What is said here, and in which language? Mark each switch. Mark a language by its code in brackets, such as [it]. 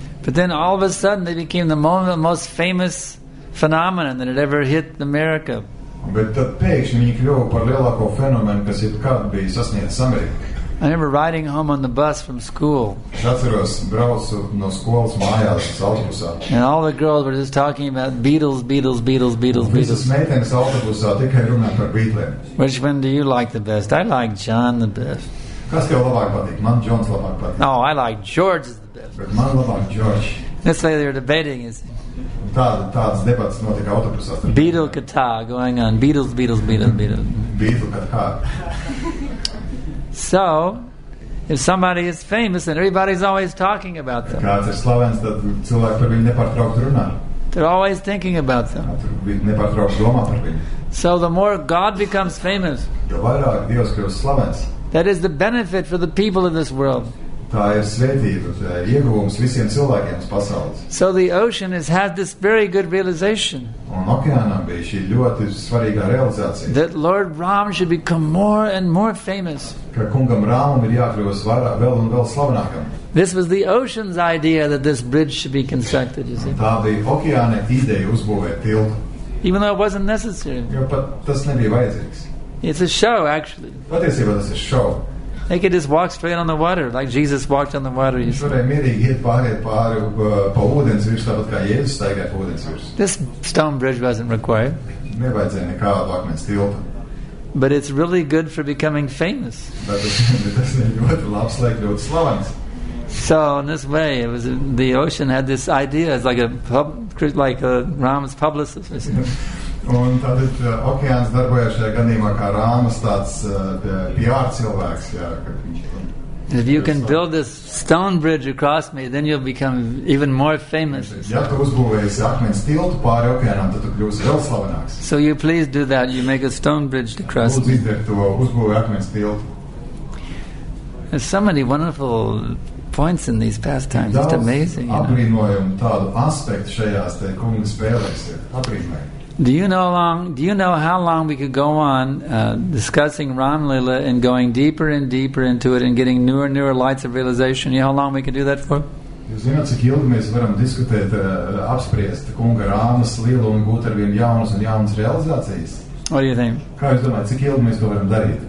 [en] But then all of a sudden they became the most famous phenomenon that had ever hit America. [lv] Bet tad pēkšņi viņi kļuva par lielāko fenomenu, kas jebkad bija sasniedzis Ameriku. [en] I remember riding home on the bus from school. And all the girls were just talking about Beatles, Beatles, Beatles, Beatles, Beatles. Which one do you like the best? I like John the best. [lv] Kas tev labāk patīk? Man Johns labāk patīk. [en] No, I like George is the best. [lv] Bet man labāk George. [en] That's why they're debating, is [lv] tāds debats notiek autobusā. [en] Beatle katā going on. Beatles, Beatles, Beatles, Beatles. [lv] Beatle katā. [en] So, if somebody is famous and everybody's always talking about them. [lv] Kāds ir slavens, tad cilvēki par viņu nepārtraukti runā. [en] They're always thinking about them. [lv] Nepārtraukti domā par viņu. [en] So the more God becomes famous. [lv] Jo vairāk Dievs kļūst slavens. [en] That is the benefit for the people in this world. [lv] Tā ir svētība, tā ir ieguvums visiem cilvēkiem pasaules. [en] So the ocean has had this very good realization. [lv] Un okeānam bija šī ļoti svarīgā realizācija. [en] That Lord Ram should become more and more famous. [lv] Ka kungam Rāmam ir jākļūst vēl un vēl slavenākam. [en] This was the ocean's idea that this bridge should be constructed, you see. [lv] Tā bija okeāna ideja uzbūvēt tiltu. [en] Even though it wasn't necessary. [lv] Jo pat tas nebija vajadzīgs. [en] It's a show, actually. [lv] Patiesībā tas ir show. [en] They could just walk straight on the water, like Jesus walked on the water. [lv] Viņš varēja mierīgi iet pa ūdens virs, tāpat kā Jēzus staigāja pa ūdens virs. [en] This stone bridge wasn't required. [lv] Nevajadzēja nekādu akmens tiltu. [en] But it's really good for becoming famous. [lv] Bet tas ir ļoti labs, lai kļūtu slavens. [en] So in this way, it was the ocean had this idea, it's like a Rāmas publicist. [lv] Un tad okeāns darbojās šajā gadījumā kā Rāmas tāds PR cilvēks, jā, [en] if you can build this stone bridge across me, then you'll become even more famous. [lv] Ja tu uzbūvēsi akmens tiltu pāri okeānam, tad tu kļūsi vēl slavenāks. [en] So you please do that, you make a stone bridge to cross me. [lv] Lūdzu, tu uzbūvi akmens tiltu. [en] There's so many wonderful points in these past times, it's amazing. [lv] Apbrīnojumu tādu aspektu šajās te kunga spēlēs ir apbrīnojumi. [en] Do you know how long we could go on discussing Ram Lila and going deeper and deeper into it and getting newer and newer lights of realization? You know how long we could do that for? [lv] Jūs zināt, cik ilgi mēs varam diskutēt, apspriest kunga Rāmas Lila un būt ar vien jaunas un jaunas realizācijas? [en] What do you think? [lv] Kā jūs domājat, cik ilgi mēs to varam darīt?